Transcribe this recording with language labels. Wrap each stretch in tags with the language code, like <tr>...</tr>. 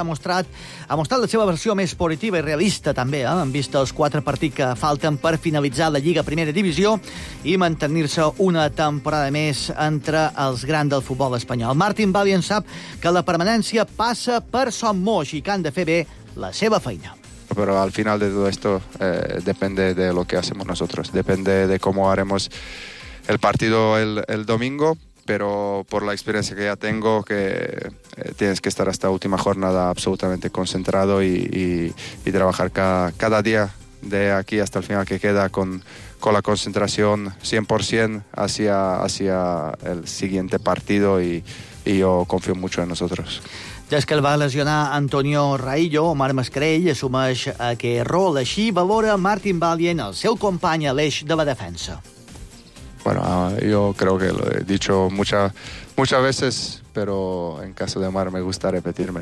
<ca>Ha mostrat la seva versió més positiva i realista, també, en vista els 4 partits que falten per finalitzar la Lliga Primera Divisió i mantenir-se una temporada més entre els grans del futbol espanyol. Martin Valiant sap que la permanència passa per Son Moix i que han de fer bé la seva feina.</ca> <es>Pero al final de todo esto depende de lo que hacemos nosotros, depende de cómo haremos el partido el domingo, pero por la experiencia que ya tengo, que tienes que estar hasta última jornada absolutamente concentrado y trabajar cada día de aquí hasta el final que queda con la concentración 100% hacia el siguiente partido y yo confío mucho en nosotros.</es> <ca>Des que el va lesionar Antonio Raillo, Omar Mascarell assumeix aquest rol. Així valora Martin Valiant el seu company a l'eix de la defensa.</ca> <es>Bueno, yo creo que lo he dicho muchas veces, pero en caso de Omar me gusta repetirme.</es>